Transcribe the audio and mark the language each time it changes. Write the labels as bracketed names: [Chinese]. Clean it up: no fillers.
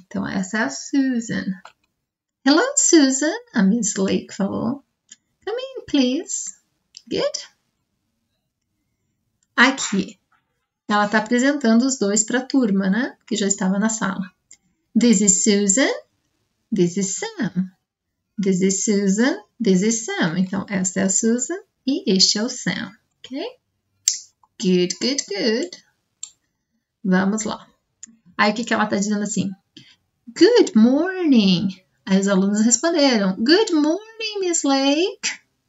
[Portuguese] Então, essa é a Susan. [English] Hello, Susan. [Portuguese] A Miss Lake falou. [English] Come in, please. Good. [Portuguese] Aqui. Ela está apresentando os dois para a turma, né? Que já estava na sala. [English] This is Susan. This is Sam. This is Susan, this is Sam. [Portuguese] Então, essa é a Susan e este é o Sam, ok? [English] Good, good, good. [Portuguese] Vamos lá. Aí, o que que ela está dizendo assim? [English] Good morning. [Portuguese] Aí, os alunos responderam: [English] Good morning, Miss Lake.